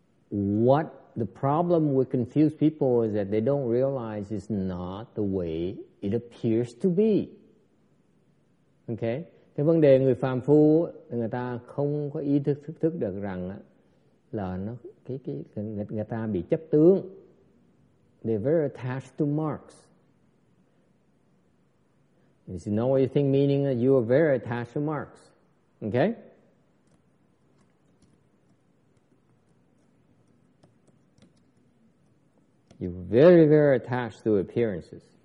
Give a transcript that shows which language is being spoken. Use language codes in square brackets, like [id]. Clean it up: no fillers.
[en] What the problem with confused people is that they don't realize it's not the way it appears to be. Okay? [vi] Cái vấn đề người phàm phu người ta không có ý thức thức được rằng là nó người ta bị chấp tướng. [en] They're very attached to marks. You see, know what you think, meaning that you are very attached to marks. Okay? You're very, very attached to appearances.